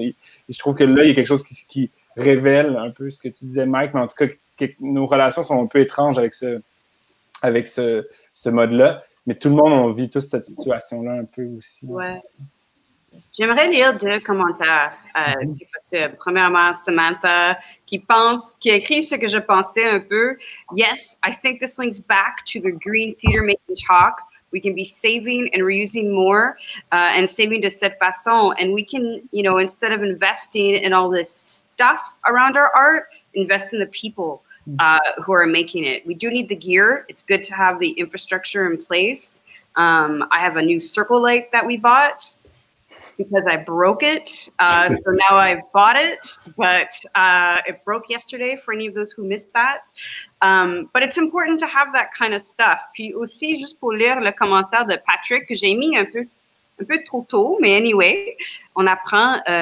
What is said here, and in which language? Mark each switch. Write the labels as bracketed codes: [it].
[fr] Et je trouve que là, il y a quelque chose qui révèle un peu ce que tu disais, Mike, mais en tout cas, nos relations sont un peu étranges avec ce mode-là. Mais tout le monde, on vit tous cette situation-là un peu aussi. Ouais. J'aimerais lire deux commentaires, si possible. Premièrement, Samantha, qui écrit ce que je pensais un peu. [en] Yes, I think this links back to the green theater making chalk. We can be saving and reusing more and saving [fr] de cette façon. [en] And we can, you know, instead of investing in all this stuff around our art, invest in the people who are making it. We do need the gear. It's good to have the infrastructure in place. I have a new circle light that we bought because I broke it. So now I've bought it, but it broke yesterday for any of those who missed that. But it's important to have that kind of stuff. [fr] Puis aussi, juste pour lire le commentaire de Patrick, que j'ai mis un peu trop tôt, mais anyway, on apprend.